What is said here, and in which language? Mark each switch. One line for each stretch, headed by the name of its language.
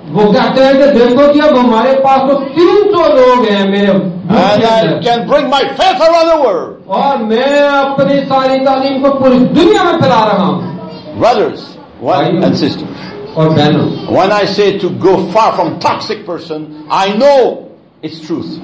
Urdu: वो कहते हैं कि देखो कि अब हमारे पास तो 300 लोग हैं मेरे.
English: And I can bring my faith around the world.
Urdu: और मैं अपनी सारी तालीम को पूरी दुनिया में फैला रहा हूँ.
English: Brothers, wives and sisters.
Urdu: और
English: When I say to go far from toxic person, I know it's truth.